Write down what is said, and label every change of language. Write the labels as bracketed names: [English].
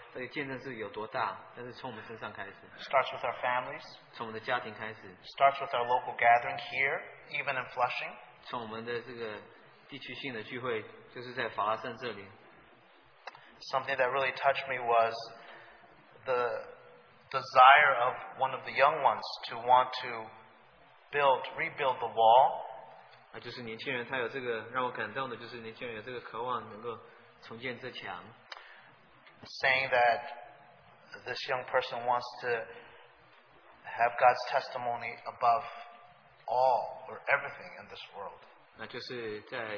[Chinese] 那是从我们开始，我们或许没有办法明白说这个见证是有多大，但是从我们身上开始。 [English] Starts with our families. [Chinese] 从我们的家庭开始。 [English] Starts with our local gathering here, even in Flushing. [Chinese] 从我们的这个地区性的聚会，就是在法拉盛这里。 [English] Something that really touched me was the desire of one of the young ones to want to rebuild the wall. [Chinese] 就是年轻人，他有这个让我感动的，就是年轻人有这个渴望能够重建这墙。 [English] Saying that this young person wants to have God's testimony above all or everything in this world.